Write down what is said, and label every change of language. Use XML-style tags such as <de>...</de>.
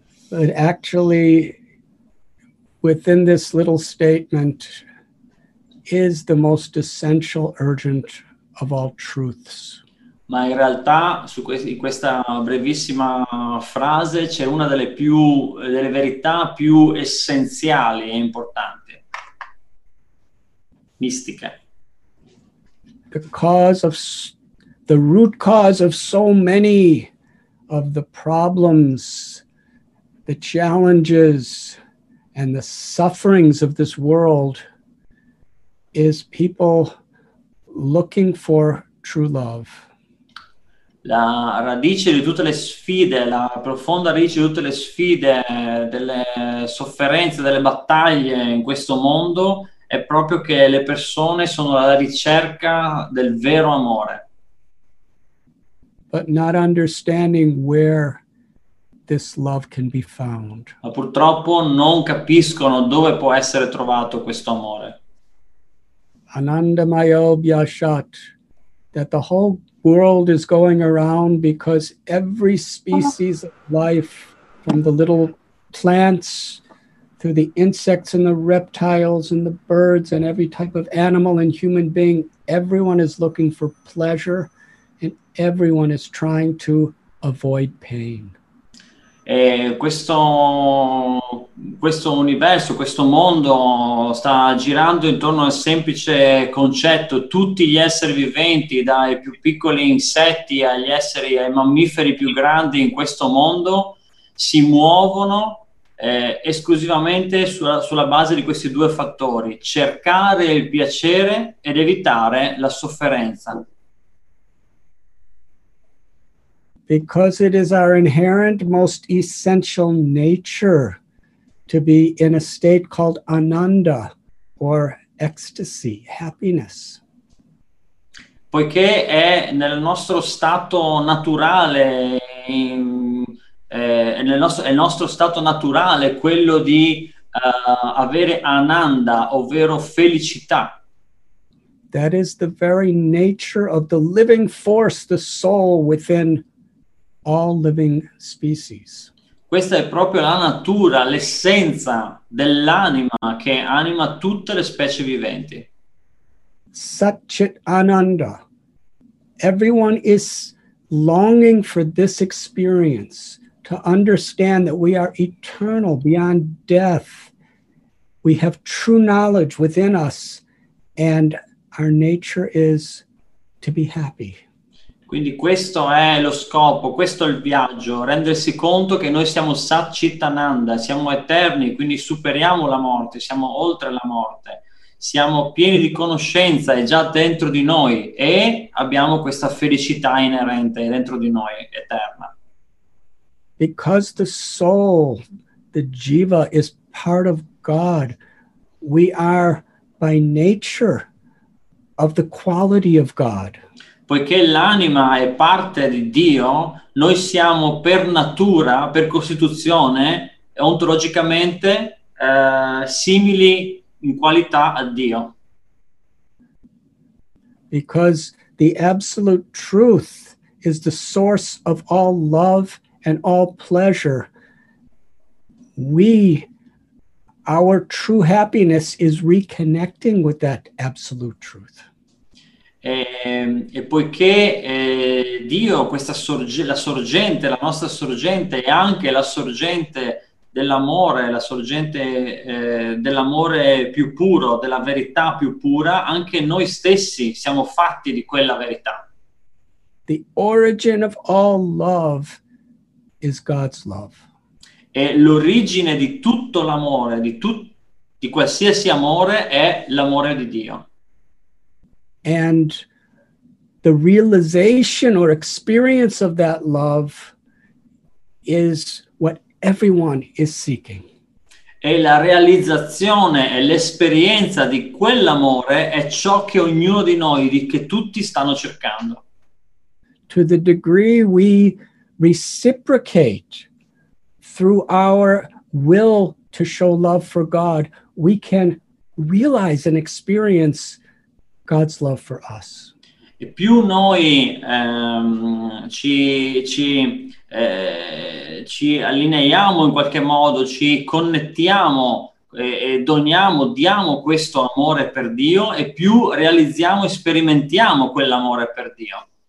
<en>But actually, within this little statement is the most essential urgent of all truths.</en> <it>Ma in realtà in questa brevissima frase c'è una delle più delle verità più essenziali e importanti. Mistica.</it> <en>The root cause of so many of the problems, the challenges and the sufferings of this world is people looking for true love.</en> <it>La radice di tutte le sfide, la profonda radice di tutte le sfide, delle sofferenze, delle battaglie in questo mondo è proprio che le persone sono alla ricerca del vero amore.</it> <en>But not understanding where this love can be found.</en> <it>Ma purtroppo non capiscono dove può essere trovato questo amore.</it> <en>Anandamayo Bhyashat, that the whole world is going around because every species of life, from the little plants to the insects and the reptiles and the birds and every type of animal and human being, everyone is looking for pleasure and everyone is trying to avoid pain.</en> <it>E questo universo, questo mondo sta girando intorno al semplice concetto. Tutti gli esseri viventi, dai più piccoli insetti agli esseri, ai mammiferi più grandi in questo mondo, si muovono esclusivamente sulla base di questi due fattori: cercare il piacere ed evitare la sofferenza.</it> <en>Because it is our inherent, most essential nature to be in a state called ananda, or ecstasy, happiness.</en> <it>Poiché è nel nostro stato naturale, è il nostro stato naturale quello di avere ananda, ovvero felicità.</it> <en>That is the very nature of the living force, the soul within all living species.</en> <it>Questa è proprio la natura, l'essenza dell'anima che anima tutte le specie viventi.</it> <sa>Satchit Ananda.</sa> <en>Everyone is longing for this experience to understand that we are eternal beyond death. We have true knowledge within us and our nature is to be happy.</en> <it>Quindi questo è lo scopo, questo è il viaggio, rendersi conto che noi siamo Satchitananda, siamo eterni, quindi superiamo la morte, siamo oltre la morte, siamo pieni di conoscenza, è già dentro di noi e abbiamo questa felicità inerente dentro di noi, eterna.</it> <en>Because the soul, the jiva, is part of God, we are by nature of the quality of God.</en> <it>Poiché l'anima è parte di Dio, noi siamo per natura, per costituzione, ontologicamente simili in qualità a Dio.</it> <en>Because the absolute truth is the source of all love and all pleasure. Our true happiness is reconnecting with that absolute truth.</en> <it>E poiché Dio, questa la sorgente, la nostra sorgente, è anche la sorgente dell'amore, la sorgente dell'amore più puro, della verità più pura, anche noi stessi siamo fatti di quella verità.</it> <en>The origin of all love is God's love.</en> <it>E l'origine di tutto l'amore, di qualsiasi amore, è l'amore di Dio.</it> <en>And the realization or experience of that love is what everyone is seeking.</en> <it>E la realizzazione e l'esperienza di quell'amore è ciò che ognuno di noi, che tutti stanno cercando.</it> <en>To the degree we reciprocate through our will to show love for God, we can realize and experience God's love for us.</en> <it>E più noi ci allineiamo in qualche modo, ci connettiamo e doniamo, diamo questo amore per Dio, e più realizziamo e sperimentiamo quell'amore per Dio.</it>